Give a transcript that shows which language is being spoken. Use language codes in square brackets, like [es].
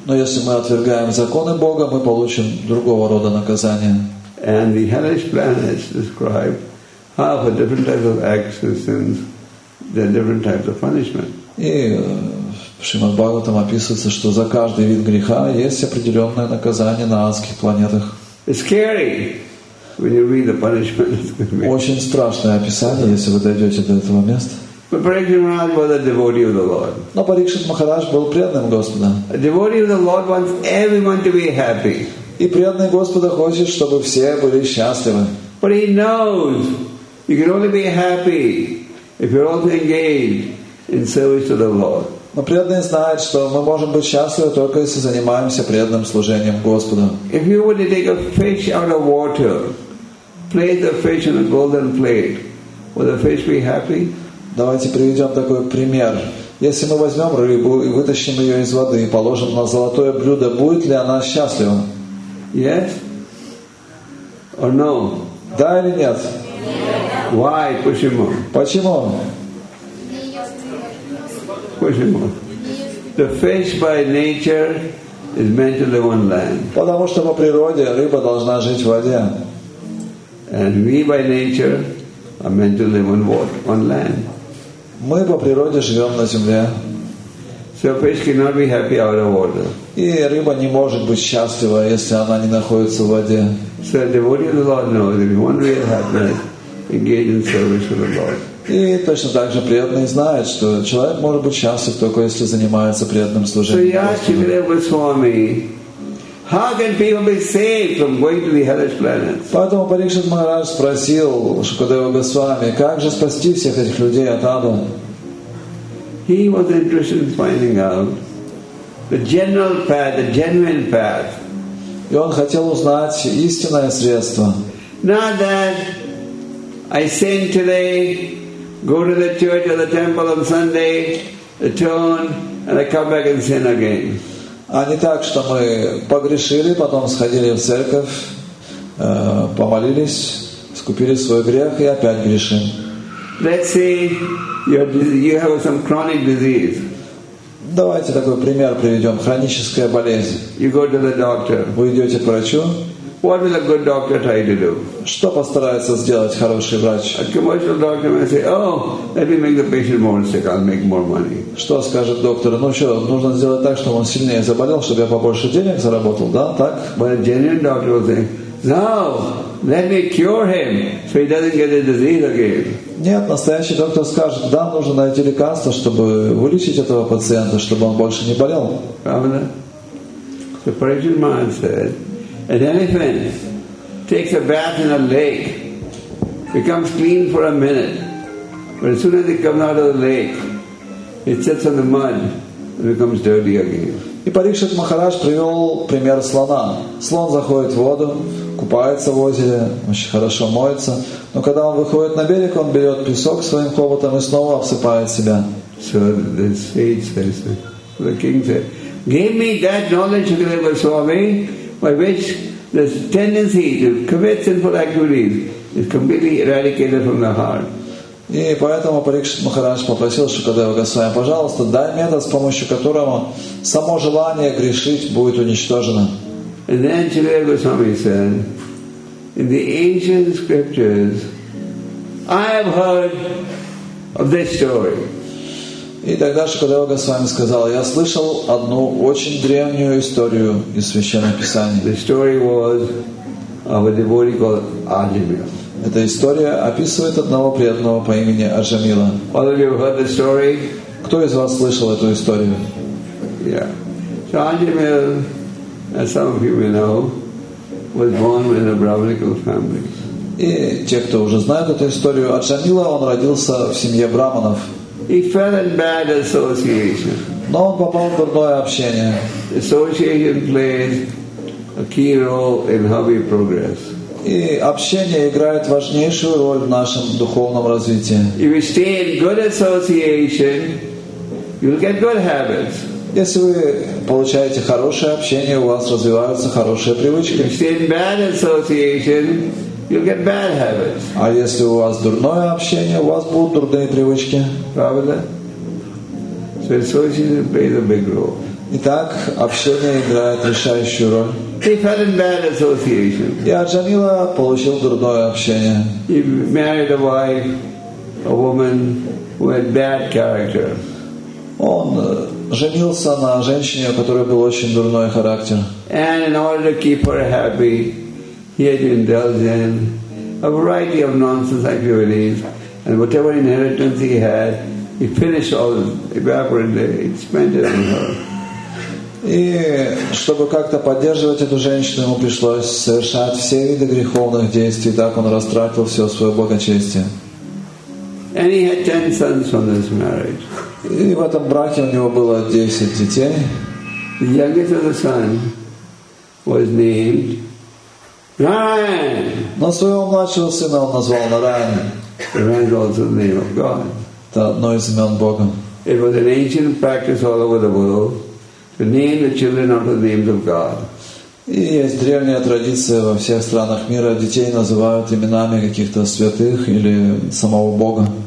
[ru] Но если мы отвергаем законы Бога, мы получим другого рода наказание. [en] And the hellish planets describe how for different types of acts and sins there are different types of punishment. [ru] И Шримад Бхагаватам описывается, что за каждый вид греха есть определенное наказание на адских планетах. [en] It's scary when you read the punishment that's going to be. [ru] Очень страшное описание, если вы дойдете до этого места. [en] But Parikshit Maharaj was a devotee of the Lord. [ru] Но Парикшит Махарадж был преданным Господа. [en] A devotee of the Lord wants everyone to be happy. [ru] И преданный Господа хочет, чтобы все были счастливы. [en] But he knows you can only be happy if you're also engaged in service to the Lord. [ru] Но преданный знает, что мы можем быть счастливы только если занимаемся преданным служением Господу. [en] If you were to take a fish out of water, place the fish on a golden plate, would the fish be happy? [ru] Давайте приведем такой пример. Если мы возьмем рыбу и вытащим ее из воды и положим на золотое блюдо, будет ли она счастлива? [en] Yes or no? [ru] Да или нет? [en] Why? [ru] Почему? Почему? Почему? [en] The fish by nature is meant to live on land. [ru] Потому что по природе рыба должна жить в воде. [en] And we by nature are meant to live on what? On land. [ru] Мы по природе живем на земле. [en] So fish cannot be happy out of water. [ru] И рыба не может быть счастлива, если она не находится в воде. [en] So the devotee of the Lord knows if you want real happiness, engage in service to the Lord. [ru] И точно так же преданный знает, что человек может быть счастлив только если занимается преданным служением. [en] How can people be saved from going to the hellish planets? [ru] Поэтому Парикшит Махарадж спросил Шукадева Госвами, как же спасти всех этих людей от ада? [en] he was interested in finding out the general path, the genuine path. [ru] И он хотел узнать истинное средство. [en] Not that I sin today, go to the church or the temple on Sunday, atone, and I come back and sin again. [ru] А не так, что мы погрешили, потом сходили в церковь, помолились, искупили свой грех и опять грешим. [en] Let's say you have some chronic disease. [ru] Давайте такой пример приведем. Хроническая болезнь. [en] You go to the doctor. [ru] Вы идете к врачу. [en] What will a good doctor try to do? [ru] Что постарается сделать хороший врач? [en] A commercial doctor may say, oh, let me make the patient more sick, I'll make more money. [ru] Что скажет доктор? Ну что, нужно сделать так, чтобы он сильнее заболел, чтобы я побольше денег заработал, да? Так? [en] But a genuine doctor will say, no, let me cure him so he doesn't get the disease again. [ru] Нет, настоящий доктор скажет, да, нужно найти лекарство, чтобы вылечить этого пациента, чтобы он больше не болел. Правда? [en] The Persian man said, an elephant takes a bath in a lake, becomes clean for a minute, but as soon as it comes out of the lake, it sits on the mud and becomes dirty again. [ru] И Парикшит Махарадж привел пример слона. Слон заходит в воду, купается в озере, очень хорошо моется. Но когда он выходит на берег, он берет песок своим хоботом и снова обсыпает себя. [en] So the sage says, the king said, give me that knowledge, Shukadeva Swami, by which the tendency to commit sinful activities is completely eradicated from the heart. [ru] И поэтому Парикшит Махарадж попросил Шукадева Госвами, пожалуйста, дай метод, с помощью которого само желание грешить будет уничтожено. [en] And then Shukadeva Goswami said, in the ancient scriptures, I have heard of this story. [ru] И тогда Шукадева Госвами сказал, я слышал одну очень древнюю историю из Священного Писания. [en] The story was of a devotee called Ajamila. [ru] Эта история описывает одного преданного по имени Аджамила. [en] All of you have heard the story? [ru] Кто из вас слышал эту историю? [en] Yeah. So Ajamila, as some of you may know, was born in a Brahminical family. [ru] И те, кто уже знают эту историю, Аджамила, он родился в семье браманов. [en] He fell in bad association. [ru] Но он попал в дурное общение. [en] Association played a key role in heavy progress. [ru] И общение играет важнейшую роль в нашем духовном развитии. [en] If you stay in good association, you'll get good habits. [ru] Если вы получаете хорошее общение, у вас развиваются хорошие привычки. [en] If you stay in bad association, you'll get bad habits. [ru] А если у вас дурное общение, у вас будут дурные привычки. Правда? [en] So association plays a big role. [ru] Итак, общение играет решающую роль. [en] He fell in bad association. [ru] И Аджамила получил дурное общение. [en] He married a wife, a woman who had bad character. [ru] Он женился на женщине, у которой был очень дурной характер. [en] And in order to keep her happy, he had indulged in a variety of nonsense activities, and whatever inheritance he had, he finished all, evaporated, spent it on her. [ru] И чтобы как-то поддерживать эту женщину, ему пришлось совершать все виды греховных действий. Так он растратил все свое благочестие. [en] And he had 10 sons from this marriage. [ru] И в этом браке у него было 10 детей. [en] The youngest of the son was named Narayan. [ru] Но своего младшего сына он назвал Нараян. [en] Narayan was also the name of God. [ru] Это одно из имен Бога. [en] It was an ancient practice all over the world. To name the children after the names of God. [ru] И есть древняя традиция во всех странах мира. Детей называют именами каких-то святых или самого Бога.